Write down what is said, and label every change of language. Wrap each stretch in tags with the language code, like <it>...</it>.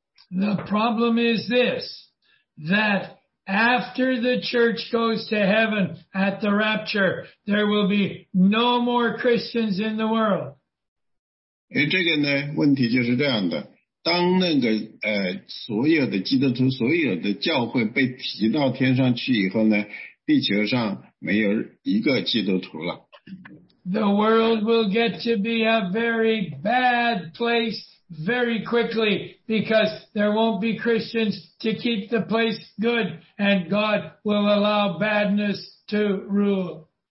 <en>The problem is this, that after the church goes to heaven at the rapture, there will be no more Christians in the world.</en> <zh>这个呢，问题就是这样的，当那个所有的基督徒、所有的教会被提到天上去以后呢，地球上没有一个基督徒了。</zh> <en>The world will get to be a very bad place very quickly because there won't be Christians to keep the place good and God will allow badness to rule.</en>